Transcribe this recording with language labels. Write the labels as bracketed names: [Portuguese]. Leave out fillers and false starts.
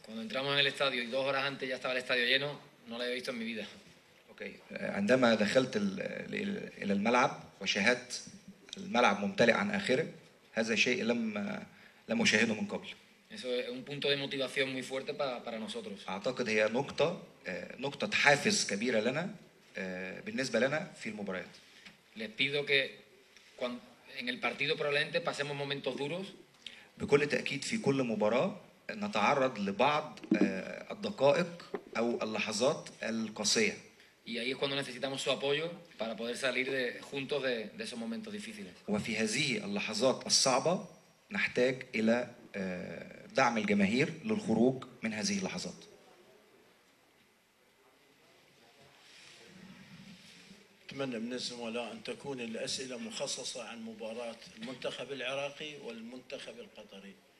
[Spanish] Cuando entramos en el estadio y dos horas antes ya estaba el estadio lleno, no lo había visto en mi vida. [English] Okay. [Arabic] عندما دخلت إلى الملعب وشاهدت الملعب ممتلئ عن آخره، هذا شيء لم أشاهده من قبل. [Spanish] Eso es un punto de motivación muy fuerte para nosotros. [Arabic] أعتقد هي نقطة حافز كبيرة لنا بالنسبة لنا في المباريات. [Spanish] Les pido que cuando en el partido probablemente pasemos momentos duros. [Arabic] بكل تأكيد في كل مباراة نتعرض لبعض الدقائق أو اللحظات القاسية. [Spanish] Y ahí es cuando necesitamos su apoyo para poder salir de, juntos de, de esos momentos difíciles. [Arabic] وفي هذه اللحظات الصعبة نحتاج إلى دعم الجماهير للخروج من هذه اللحظات. أتمنى من الزملاء أن تكون الأسئلة مخصصة عن مباراة المنتخب العراقي والمنتخب القطري.